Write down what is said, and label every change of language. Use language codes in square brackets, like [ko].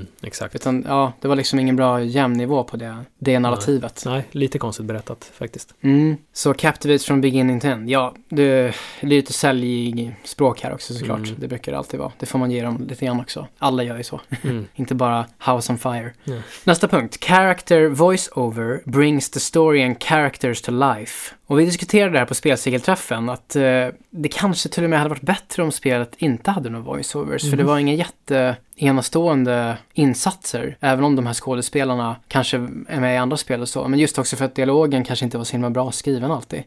[sv] Mm, exakt. Utan ja, det var liksom ingen bra jämn nivå på det narrativet. Nej, lite konstigt berättat faktiskt. [en] Mm. [sv] Så [en] captivates from beginning to end. [sv] Ja, det är lite säljig språk här också såklart. Mm. Det brukar det alltid vara. Det får man ge dem lite grann också. Alla gör ju så. Mm. Inte bara House on Fire. [en] Yeah. [sv] Nästa punkt. [en] Character voice over brings the story and character to life. [sv] Och vi diskuterade det här på spelsegelträffen att det kanske till och med hade varit bättre om spelet inte hade några voiceovers. Mm. För det var inga jätte enastående insatser, även om de här skådespelarna kanske är med i andra spel och så. Men just också för att dialogen kanske inte var så himla bra skriven alltid.